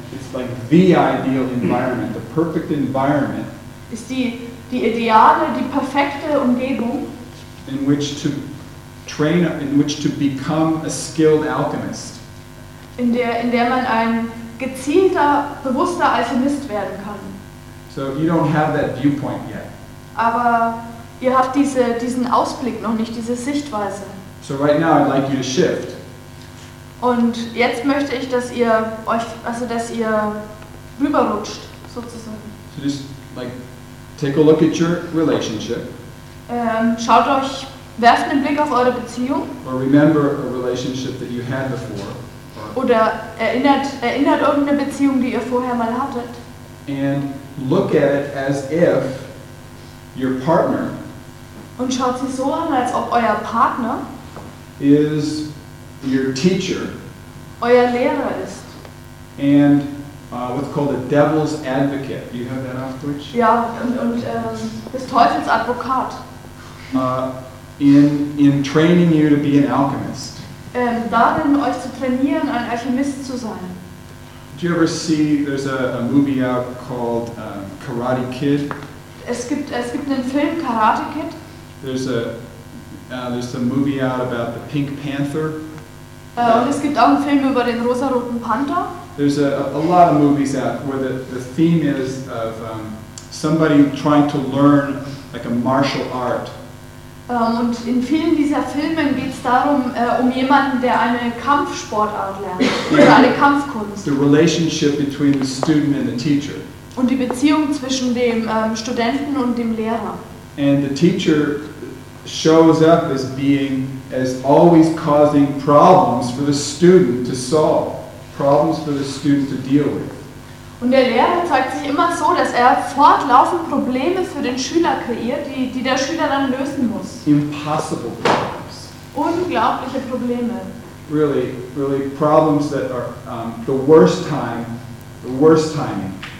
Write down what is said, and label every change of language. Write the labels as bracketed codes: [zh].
[en] It's like the ideal environment, the perfect environment. [de] Ist die ideale, die perfekte Umgebung. [en] In which to train, in which to become a skilled alchemist. [de] In der man ein gezielter, bewusster Alchemist werden kann. [en] So you don't have that viewpoint yet. [de] Aber ihr habt diesen Ausblick noch nicht, diese Sichtweise. [en] So right now I'd like you to shift. [de] Und jetzt möchte ich, dass ihr euch, also dass ihr rüberrutscht, sozusagen. [en] So just like take a look at your relationship. [de] Schaut euch, werft einen Blick auf eure Beziehung. [en] Or remember a relationship that you had before. [de] Oder erinnert irgendeine Beziehung, die ihr vorher mal hattet. [en] And look at it as if your partner. [de] Und schaut sie so an, als ob euer Partner. [en] Is your teacher. [de] Euer Lehrer ist. [en] And what's called a devil's advocate. Do you have that off which? [de] Ja, und Teufels Advokat. [en] In training you to be an alchemist. [de] Darin euch zu trainieren, ein Alchemist zu sein. [en] Did you ever see, there's a movie out called Karate Kid? [de] Es gibt einen Film, Karate Kid. [en] There's a movie out about the Pink Panther. [de] Und es gibt auch einen Film über den rosa-roten Panther. [en] There's a lot of movies out where the theme is of somebody trying to learn like a martial art. [de] Und in vielen dieser Filmen geht es darum, um jemanden, der eine Kampfsportart lernt, oder eine Kampfkunst. [en] The relationship between the student and the teacher. [de] Und die Beziehung zwischen dem Studenten und dem Lehrer. [en] And the teacher shows up as being, as always causing problems for the student to solve, problems for the student to deal with. [de] Und der Lehrer zeigt sich immer so, dass er fortlaufend Probleme für den Schüler kreiert, die der Schüler dann lösen muss. [en] Impossible problems. [de] Unglaubliche Probleme. [en] Really, really problems that are the worst time, the worst timing.